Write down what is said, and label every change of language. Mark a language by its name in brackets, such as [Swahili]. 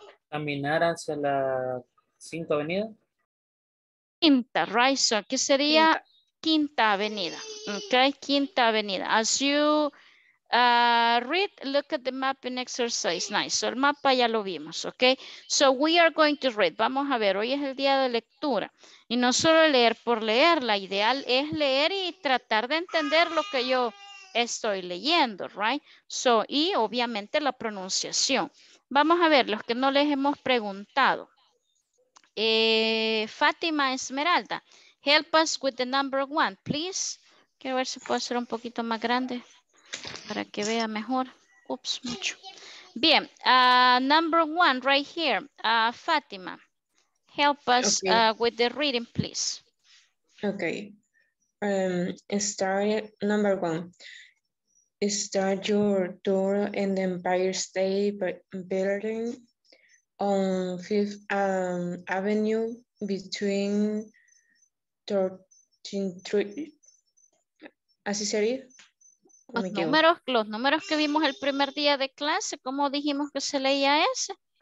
[Spanish] Caminar hacia la Quinta Avenida. Quinta, right? So, aquí sería Quinta Avenida. Okay, Quinta Avenida. [English] As you read, look at the map and exercise. Nice. So [Spanish] el mapa ya lo vimos, [English] ok. So we are going to read. [Spanish] Vamos a ver, hoy es el día de lectura. Y no solo leer por leer, la ideal es leer y tratar de entender lo que yo estoy leyendo, right? So, y obviamente la pronunciación. Vamos a ver, los que no les hemos preguntado. [English] Fátima Esmeralda, help us with the number one, please. [Spanish] Quiero ver si puedo hacer un poquito más grande. Para que vea mejor. Ups, mucho. Bien, [English] number one right here. Fátima, help us with the reading, please. Okay. Start number one. Start your tour in the Empire State Building on Fifth Avenue between 13th. [Spanish] ¿Así sería? Los números que vimos el primer día de clase, ¿cómo dijimos que se leía ese?